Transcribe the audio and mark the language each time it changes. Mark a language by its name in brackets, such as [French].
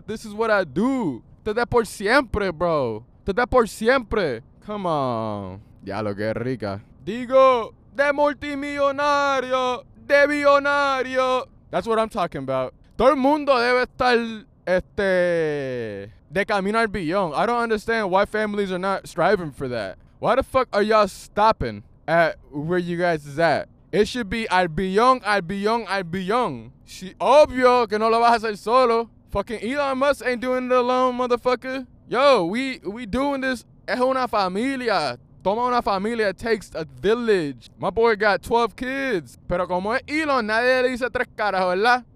[English] This is what I do. [Spanish] Esto es por siempre, bro. Esto es por siempre. [English] Come on. [Spanish] Ya lo que es rica. Digo, de multimillonario, de billonario. [English] That's what I'm talking about. [Spanish] Todo el mundo debe estar, de camino al billón. [English] I don't understand why families are not striving for that. Why the fuck are y'all stopping at where you guys is at? It should be [Spanish] al billón, al billón, al billón. Si, obvio que no lo vas a hacer solo. [English] Fucking Elon Musk ain't doing it alone, motherfucker. Yo, we doing this. [Spanish] Es una familia. Toma una familia. [English] It takes a village. My boy got 12 kids. [Spanish] Pero como es Elon, nadie le dice tres caras, ¿verdad?